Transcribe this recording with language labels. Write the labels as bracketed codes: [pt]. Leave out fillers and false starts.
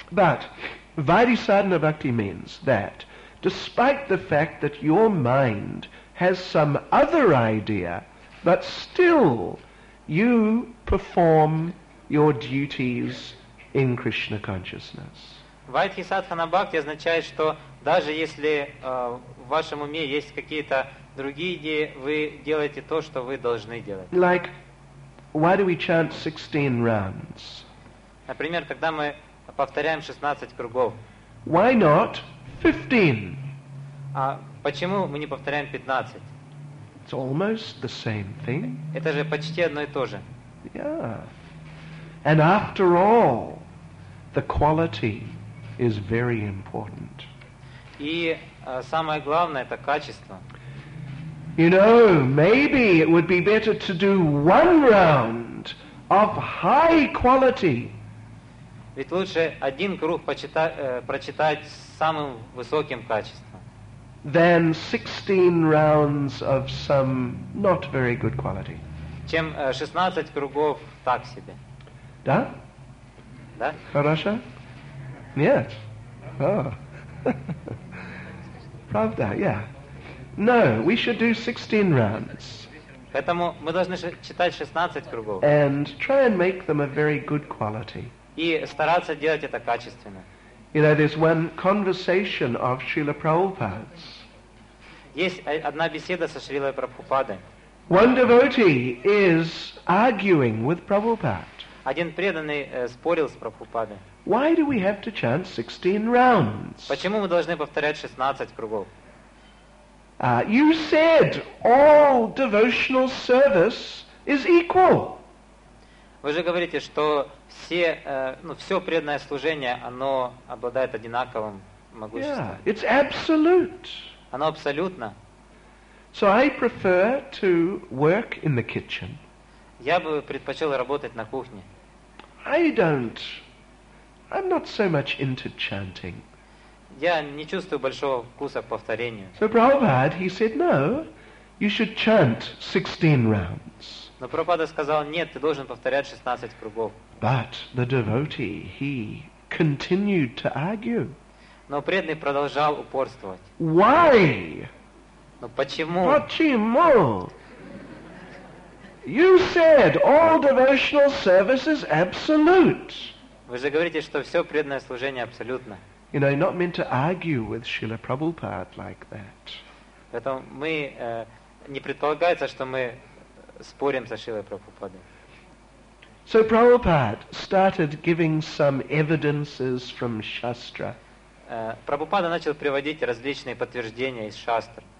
[en] But Vairi Sadhana Bhakti means that despite the fact that your mind has some other idea, but still you perform your duties in Krishna consciousness. [ru] Vaidhi Sadhana Bhakti означает, что даже если в вашем уме есть какие-то другие идеи, вы делаете то, что вы должны делать. [en] Like, why do we chant 16 rounds? [ru] Например, когда мы повторяем 16 кругов. [en] Why not 15? [ru] А почему мы не повторяем 15? [en] It's almost the same thing. [ru] Это же почти одно и то же. [en] Yeah. And after all, the quality is very important. [ru] И самое главное — это качество. [en] You know, maybe it would be better to do one round of high quality. [ru] Ведь лучше один круг прочитать с самым высоким качеством. [en] Than 16 rounds of some not very good quality. [ru] Чем 16 кругов так себе. Да? Да? Хорошо? Нет? О. Правда, [en] yeah. No, we should do 16 rounds. [ru] Поэтому мы должны читать 16 кругов. [en] And try and make them a very good quality. [ru] И стараться делать это качественно. [en] You know, there's one conversation of Srila Prabhupada's. [ru] Есть одна беседа со Шрилой Прабхупадой. [en] One devotee is arguing with Prabhupada. [ru] Один преданный спорил с Прабхупадой. [en] Why do we have to chant 16 rounds? [ru] Почему мы должны повторять 16 кругов? [en] You said all devotional service is equal. [ru] Вы же говорите, что все преданное служение, оно обладает одинаковым могуществом. [en] Yeah, it's absolute. [ru] Оно абсолютно. [en] So I prefer to work in the kitchen. [ru] Я бы предпочел работать на кухне. [en] I'm not so much into chanting. [ru] Я не чувствую большого вкуса к повторению. [en] So Prabhupada, he said, no, you should chant 16 rounds. [ru] Но Прабхупада сказал, нет, ты должен повторять 16 кругов. [en] But the devotee, he continued to argue. [ru] Но преданный продолжал упорствовать. [en] Why? [ru] Но почему? Почему? [en] You said all devotional service is absolute. [ru] Вы же говорите, что все преданное служение абсолютно. [en] You know, you're not meant to argue with Srila Prabhupada like that. [ru] Поэтому мы не предполагается, что мы спорим со Шрилой Прабхупадой. [en] So Prabhupada started giving some evidences from Shastra. [ru] Прабхупада начал приводить различные подтверждения из шастр.